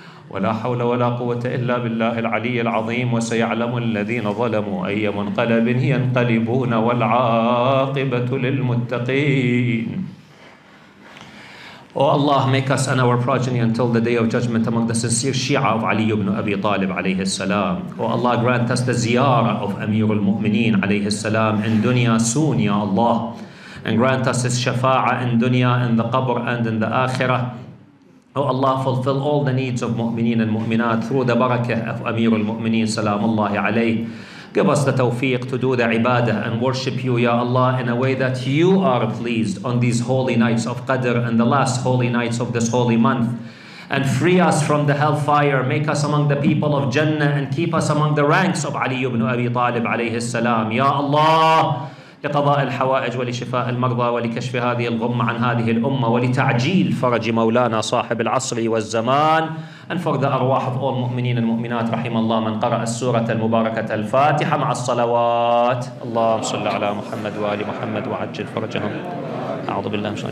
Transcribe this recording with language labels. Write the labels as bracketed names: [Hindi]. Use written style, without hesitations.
[Arabic] ولا حول ولا قوة إلا بالله العلي العظيم وسيعلم الذين ظلموا أي منقلب ينقلبون والعاقبة للمتقين. [English] Oh Allah, make us and our progeny until the day of judgment among the sincere Shia of Ali ibn Abi Talib alayhi salam. Oh Allah, grant us the ziyara of Amir al-Mu'mineen alayhi salam in dunya soon, ya Allah. And grant us his shafa'a in dunya, in the qabr and in the akhirah. Oh Allah, fulfill all the needs of mu'mineen and mu'minat through the barakah of Amir al-Mu'mineen, salamullahi alayh. Give us the tawfiq to do the ibadah and worship you, ya Allah, in a way that you are pleased on these holy nights of Qadr and the last holy nights of this holy month. And free us from the hellfire, make us among the people of Jannah, and keep us among the ranks of Ali ibn Abi Talib, alayhi salam. Ya Allah, [Arabic] لقضاء الحوائج ولشفاء المرضى ولكشف هذه الغمة عن هذه الأمة ولتعجيل فرج مولانا صاحب العصر والزمان [English] and for the [Arabic] أرواح of all المؤمنين المؤمنات رحم الله من قرأ السورة المباركة الفاتحة مع الصلوات. اللهم صل على محمد وآل محمد وعجل فرجهم. أعوذ بالله من الشيطان.